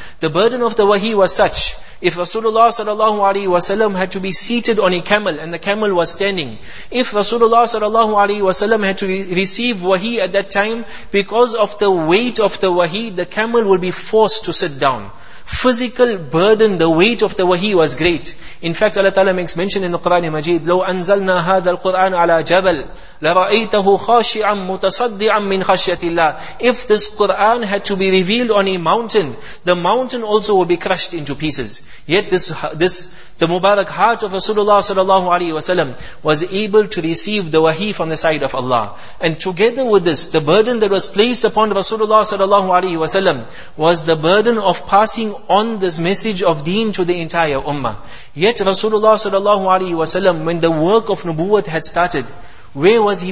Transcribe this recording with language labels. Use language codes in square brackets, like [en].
[en] The burden of the wahi was such, if Rasulullah sallallahu alaihi wasallam had to be seated on a camel and the camel was standing, if Rasulullah sallallahu alaihi wasallam had to receive wahi at that time, because of the weight of the wahi, the camel will be forced to sit down. Physical burden, the weight of the wahi was great. In fact, Allah Ta'ala makes mention in the Quran Majid, [ar] لو أنزلنا هذا القرآن على جبل لرأيته خاشعا متصدعا من خشية الله. [en] If this Quran had to be revealed on a mountain, the mountain also would be crushed into pieces. Yet the Mubarak heart of Rasulullah sallallahu alaihi wasallam was able to receive the wahi from the side of Allah. And together with this, the burden that was placed upon Rasulullah sallallahu alaihi wasallam was the burden of passing on this message of deen to the entire ummah. Yet Rasulullah sallallahu alaihi wasallam, when the work of nubuwwat had started, Where was he?